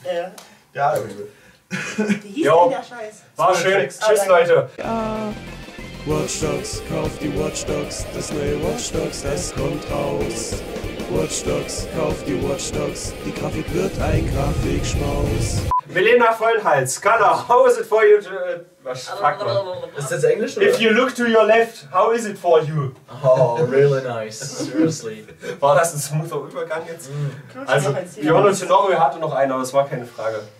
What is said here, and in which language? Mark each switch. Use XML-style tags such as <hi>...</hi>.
<de>ja. Ja, wie hieß jo. Denn der Scheiß? War schön. Tschüss, Leute. Watch Dogs, kauf die Watch Dogs, das neue Watch Dogs, es kommt raus. Watch Dogs, kauf die Watch Dogs, die Grafik wird ein Grafikschmaus.</de> <en>Milena Vollhals, Scala, how is it for you to...</en> <de>was, fuck man. Ist das Englisch oder?</de> <en>If you look to your left, how is it for you? Oh, really nice, seriously.</en> <de>War das ein smoother Übergang jetzt? Mm. Also, Biono Tenorio hatte noch einen, aber es war keine Frage.</de>